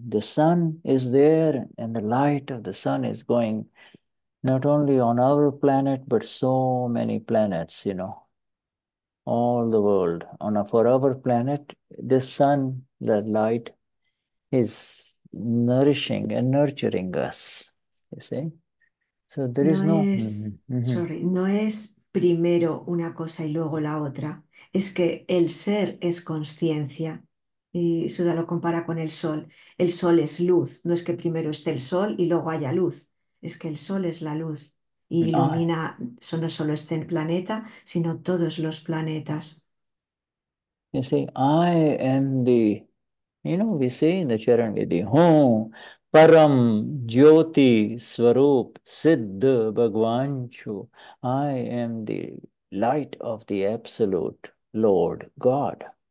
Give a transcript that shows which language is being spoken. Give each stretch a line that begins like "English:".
English: The sun is there, and the light of the sun is going not only on our planet, but so many planets, you know, all the world. On a forever planet, the sun, the light, is nourishing and nurturing us, you see. So there is
Spanish: No no. es,
English: sorry,
Spanish: no es primero una cosa y luego la otra. Es que el ser es conciencia y Suda lo compara con el sol. El sol es luz, no es que primero esté el sol y luego haya luz. Es que el sol es la luz y ilumina, no solo este planeta, sino todos los planetas.
English: You see, I am the, you know, we say in the Charanvidhi, "Oh,
Gujarati: Param Jyoti Swarup Siddha Bhagwanchu."
English: I am the light of the Absolute Lord God.